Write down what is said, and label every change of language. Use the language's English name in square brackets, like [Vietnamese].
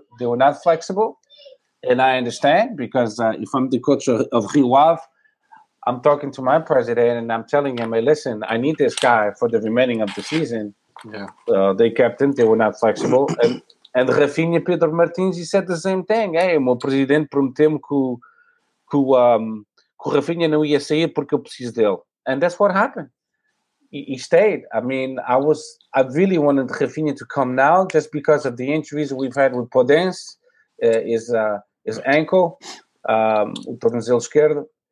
[English] They were not flexible. And I understand because if I'm the coach of Rio Ave, I'm talking to my president and I'm telling him, hey, listen, I need this guy for the remaining of the season. Yeah. They kept him. They were not flexible. And Rafinha Pedro Martins, he said the same thing. [Portuguese] Hey, o meu presidente prometeu-me que o Rafinha não ia sair porque eu preciso dele. [English] And that's what happened. He stayed. I mean, I really wanted Rafinha to come now just because of the injuries we've had with Podence, his ankle, [Portuguese] o tornozelo esquerdo.